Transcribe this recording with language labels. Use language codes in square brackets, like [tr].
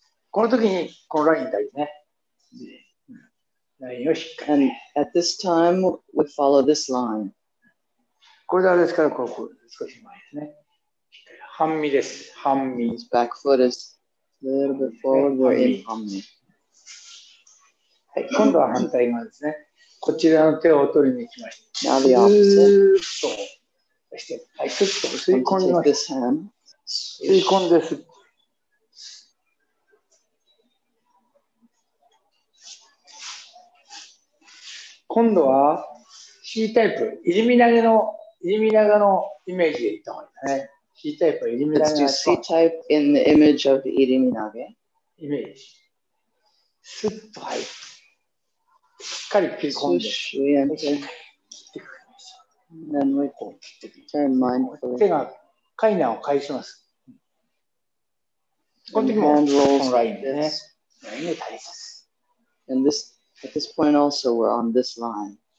[ja] この時にこのラインだよね。ラインをしっかり。 [en] And at this time we follow this line. [ja] これであれですからここ少し前ですね。半身です。半身。 [en] His back foot is a little bit forward. We're in 半身。 [ja] はい、今度は反対側ですね。こちらの手を取りに行きました。 [en] Now the opposite. [ja] スーッと。そして、はい、スッと吸い込んでます。吸い込んで、吸い込んで、吸い今度は C タイプ、いじみ投げの、いじみ投げのイメージでいった方がいいですね。 C タイプ、いじみ投げの。 [en] Let's do C type in the image of いじみ投げ。 [ja] イメージ。スッと入る。しっかり切り込んで、そして切ってくれます。何を切ってくれます。手が回難を返します。この時もこのラインでね。ラインで足ります。 [en] And this, at this point also we're on this line.